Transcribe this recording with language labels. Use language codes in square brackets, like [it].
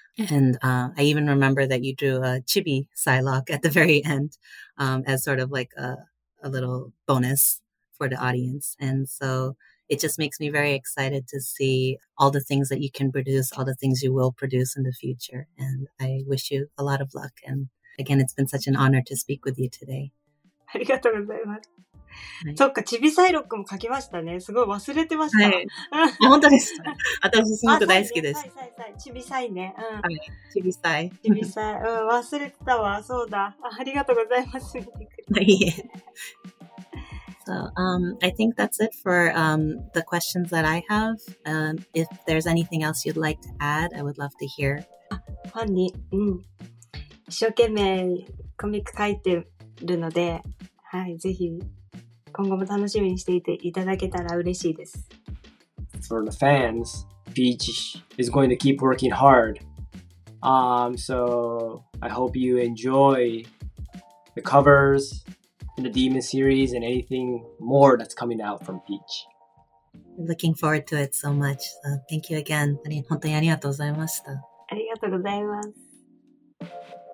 [en] And I even remember that you drew a chibi Psylocke at the very end as sort of like a little bonus for the audience. And so it just makes me very excited to see all the things that you can produce, all the things you will produce in the future. And I wish you a lot of luck. And again, it's been such an honor to speak with you today. [ja] ありがとうございます。はい、そっか、チビサイロックも書きましたね。すごい忘れてました。はい、本当です。私すごく大好きです。チビサイね。チビサイ。チビサイ。うん、忘れてたわ。そうだ。ありがとうございます。はい。 [en] So I think that's it for the questions that I have. If there's anything else you'd like to add, I would love to hear. [ja] ファンに、うん、一生懸命コミック書いてるので、はい、ぜひ。今後も楽しみにしていていただけたら嬉しいです。 [en] For the fans, Peach is going to keep working hard. So I hope you enjoy the covers and the Demon series and anything more that's coming out from Peach. Looking forward to it so much. So thank you again. [ja] 本当にありがとうございました。ありがとうございます。